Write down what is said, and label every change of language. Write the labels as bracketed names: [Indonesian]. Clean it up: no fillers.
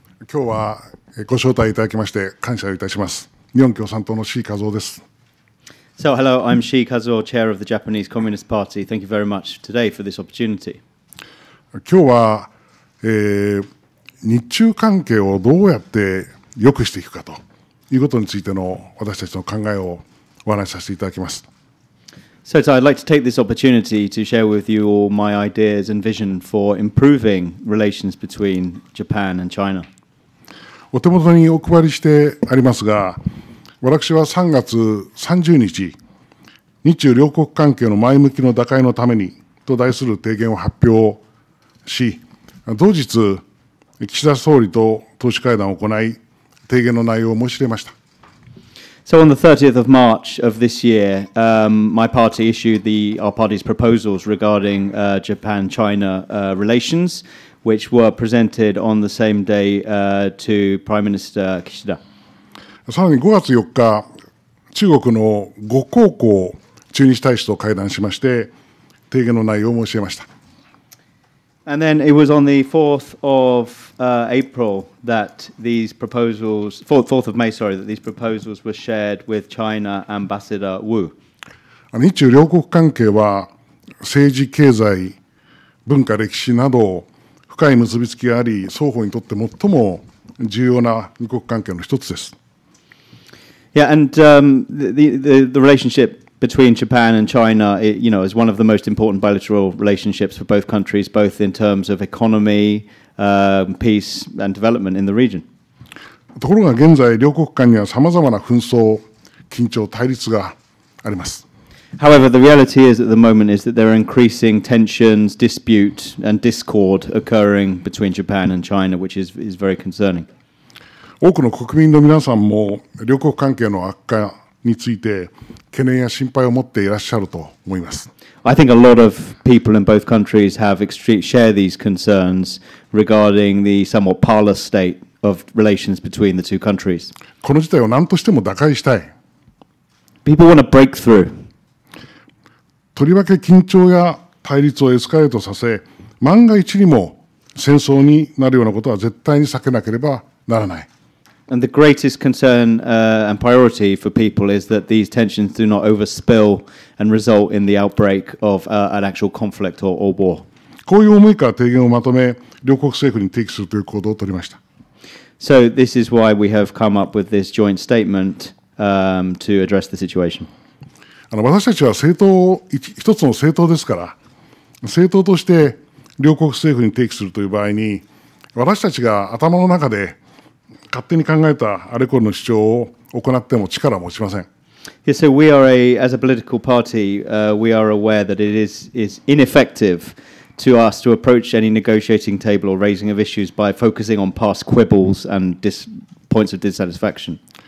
[Japanese] 今日はご招待いただきまして感謝いたします。日本共産党の Shii Kazuo です。 [English] So hello, I'm Shii Kazuo, Chair of the Japanese Communist Party. Thank you very much today for this opportunity. [Japanese] 今日は、日中関係をどうやって良くしていくかということについての私たちの考えをお話しさせていただきます。 [English] So I'd like to take this opportunity to share with you all my ideas and vision for improving relations between Japan and China. [Japanese] お手元にお配りしてありますが、私は3月30日、日中両国関係の前向きの打開のためにと題する提言を発表し、同日、岸田総理と党首会談を行い、提言の内容を申し入れました。 [English] So on the 30th of March of this year, my party issued our party's proposals regarding Japan-China relations, which were presented on the same day to Prime Minister Kishida. [Japanese] さらに5月4日、中国の呉江浩駐日大使と会談しまして、提言の内容を申し入れました。 [English] And then it was on the 4th of April that these proposals, 4th of May, sorry, that these proposals were shared with China Ambassador Wu. [Japanese] 日中両国関係は政治、経済、文化、歴史など深い結びつきがあり、双方にとって最も重要な二国関係の一つです。 [English] Yeah, and the relationship between Japan and China, you know, is one of the most important bilateral relationships for both countries, both in terms of economy, peace and development in the region. [Japanese] ところが現在両国間にはさまざまな紛争、緊張、対立があります。 [English] However, the reality is at the moment is that there are increasing tensions, dispute and discord occurring between Japan and China, which is very concerning. [Japanese] 多くの国民の皆さんも両国関係の悪化について懸念や心配を持っていらっしゃると思います。 [English] I think a lot of people in both countries have share these concerns regarding the somewhat parlous state of relations between the two countries. [Japanese] この事態を何としても打開したい。 [English] People want a breakthrough. [Japanese] とりわけ緊張や対立をエスカレートさせ、万が一にも戦争になるようなことは絶対に避けなければならない。 [English] And the greatest concern and priority for people is that these tensions do not overspill and result in the outbreak of an actual conflict or war. [Japanese] こういう思いから提言をまとめ、両国政府に提起するという行動を取りました。 [English] So this is why we have come up with this joint statement to address the situation. [Japanese] 私たちは一つの政党ですから、政党として両国政府に提起するという場合に、私たちが頭の中で勝手に考えたあれこれの主張を行っても力は持ちません。 [English] Yeah, so we are as a political party, we are aware that it is ineffective to us to approach any negotiating table or raising of issues by focusing on past quibbles and points of dissatisfaction.